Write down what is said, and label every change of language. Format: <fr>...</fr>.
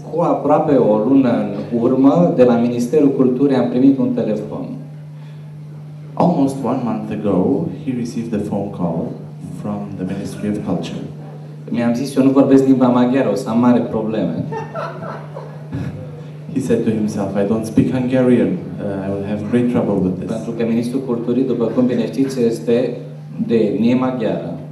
<ro>Cu aproape o lună în urmă, de la Ministerul Culturii am primit un telefon.</ro> <en>Almost one month ago, he received a phone call from the Ministry of Culture.</en> <ro>Mi-am zis, eu nu vorbesc limba maghiară, o să am mare probleme.</ro> <en>He said to himself, I don't speak Hungarian. I will have great trouble with this.</en> <ro>Pentru că ministrul culturii, după cum bine știți, este de etnie maghiară.</ro>